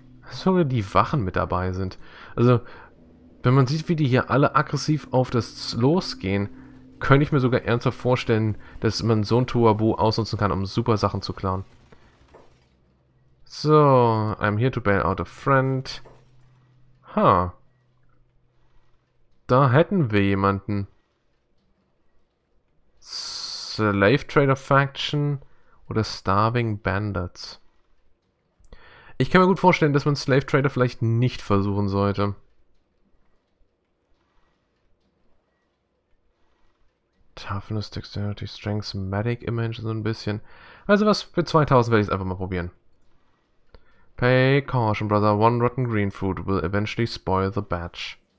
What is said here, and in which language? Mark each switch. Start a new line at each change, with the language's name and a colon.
German: Sogar die Wachen mit dabei sind. Also, wenn man sieht, wie die hier alle aggressiv auf das losgehen, könnte ich mir sogar ernsthaft vorstellen, dass man so ein Tohuwabohu ausnutzen kann, um super Sachen zu klauen.
English: So, I'm here to bail out a friend.
German: Ha. Da hätten wir jemanden. Slave Trader Faction oder Starving Bandits. Ich kann mir gut vorstellen, dass man Slave Trader vielleicht nicht versuchen sollte. Toughness, Dexterity, Strength, Medic Image so ein bisschen. Also was, für 2000 werde ich es einfach mal probieren.
English: Pay caution, brother. One rotten green fruit will eventually spoil the batch.